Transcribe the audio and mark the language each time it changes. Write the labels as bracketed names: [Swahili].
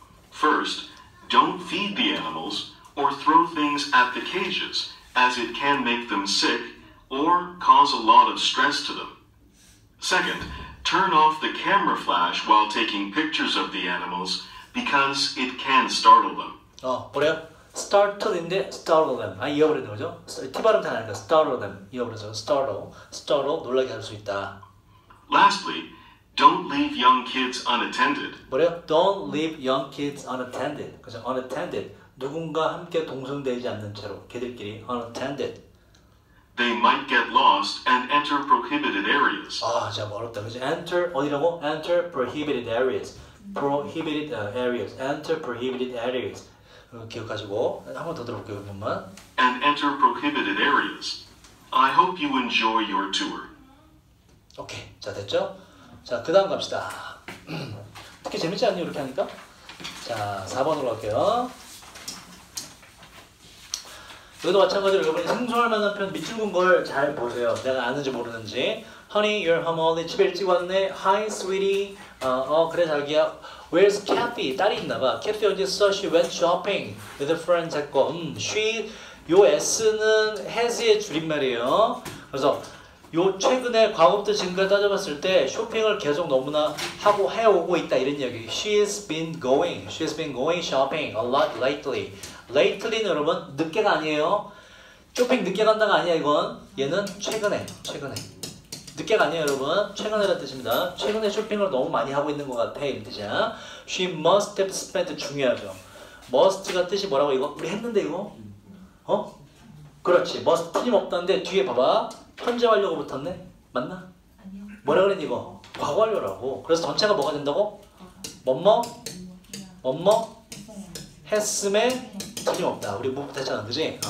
[English] First, don't feed the animals or throw things at the cages, as it can make them sick or cause a lot of stress to them. Second, turn off the camera flash while taking pictures of the animals because it can startle them. [Korean] 뭐래요? [English] Startle인데 startle them. [Korean] 아, 이어버리는 거죠? T 발음 다 나니까 [English] startle them. [Korean] 이어버려서 [English] startle, startle, [Korean] 놀라게 할 수 있다. [English] Lastly, don't leave young kids unattended. [Korean] 뭐래요? [English] Don't leave young kids unattended. [Korean] 그죠? [English] Unattended. [Korean] 누군가 함께 동승되지 않는 채로 걔들끼리 [English] unattended. They might get lost and enter prohibited areas. [Korean] 아, 참 어렵다. 그죠? Enter 어디라고? [English] Enter prohibited areas. Prohibited areas. Enter prohibited areas. [Korean] 기억하시고 한 번 더 들어볼게요, 한번만. [English] And enter prohibited areas. I hope you enjoy your tour. [Korean] 오케이. 자, 됐죠? 자, 그다음 갑시다. 특히 재밌지 않니? 이렇게 하니까. 자, 4번으로 갈게요. 이것도 마찬가지로 여러분이 생소할 만한 표현 밑줄 긋은 걸 잘 보세요. 내가 아는지 모르는지. [English] Honey, you're home early. [Korean] 집에 일찍 왔네. [English] Hi, sweetie. [Korean] 그래, 자기야. [English] Where's Kathy? [Korean] 딸이 있나 봐. Kathy 어디 있어? [English] She went shopping with a friend. [Korean] 자꾸. She, 요 S는 has의 줄임말이에요. 그래서 요 최근에 과거부터 지금까지 따져봤을 때 쇼핑을 계속 너무나 하고 해오고 있다. 이런 얘기. [English] She's been going shopping a lot lately. [Korean] Lately는 여러분 늦게가 아니에요. 쇼핑 늦게 간다가 아니야 이건. 얘는 최근에, 최근에. 늦게가 아니에요 여러분. 최근에라는 뜻입니다. 최근에 쇼핑을 너무 많이 하고 있는 것 같아. 이런 뜻이야. [English] She must have spent [Korean] 중요하죠. Must가 뜻이 뭐라고 이거? 우리 했는데 이거? 어? 그렇지. Must 틀림없다는데 뒤에 봐봐. 현재 완료가 붙었네. 맞나? 아니요. 뭐라 그랬니 이거? 과거 완료라고. 그래서 전체가 뭐가 된다고? 뭐뭐? 뭐뭐? 했음에 틀림없다. 우리 뭐부터 했잖아. 그지?